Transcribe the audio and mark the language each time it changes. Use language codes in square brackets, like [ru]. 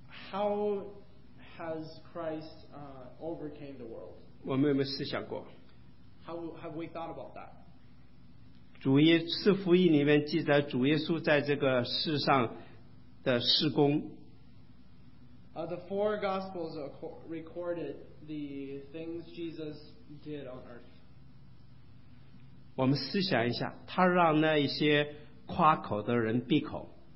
[en] How has Christ overcame the world? [zh] 我们有没有思想过？ [en] How have we thought about that? [zh] 主耶四福音里面记载主耶稣在这个世上的事工。 [en] The four gospels recorded the things Jesus did on earth. [zh] 我们思想一下，他让那一些夸口的人闭口。